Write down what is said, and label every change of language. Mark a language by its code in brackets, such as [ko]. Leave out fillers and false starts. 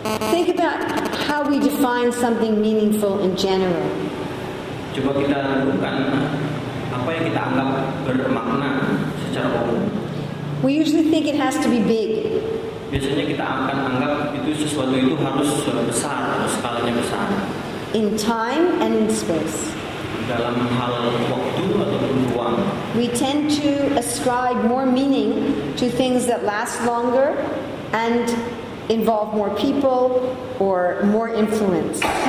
[en] Think about how we define something meaningful in general. [id] Coba kita lakukan apa yang kita anggap bermakna secara umum. [en] We usually think it has to be big. [id] Biasanya kita akan anggap itu sesuatu itu harus besar, skalanya besar. [en] In time and in space. [id] Dalam hal waktu atau ruang. [en] We tend to ascribe more meaning to things that last longer and involve more people or more influence.